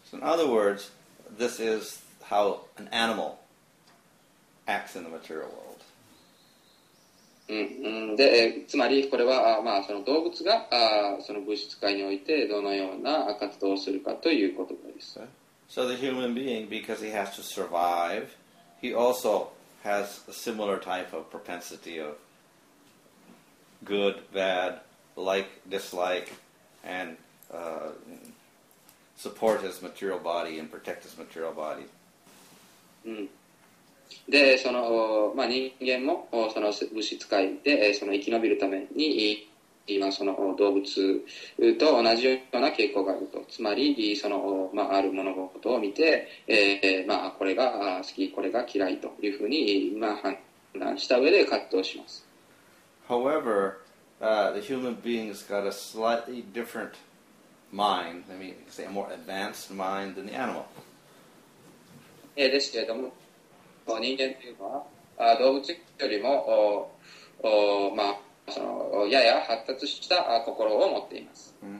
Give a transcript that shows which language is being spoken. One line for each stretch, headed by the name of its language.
English: So in other words, this is how an animal acts in the material world.
Japanese: でつまりこれは、まあ、その動物がその物質界においてどのような活動をするかということです。
English: So the human being, because he has to survive, he also has a similar type of propensity of good, bad, like, dislike, and support his material body and protect his material body.
Japanese: でそのまあ、人間もその物質界でその生き延びるために今その動物と同じような傾向があるとつまりその、まあ、ある物事を見て、まあ、これが好きこれが嫌いというふうに、まあ、判断した上で葛藤します
English: However, the human being has got a slightly different mind, let me say a more advanced mind than the animal.
Japanese: Yeah, ですけれども、人間というのは動物よりも、まあ、そのやや発達した心を持っています。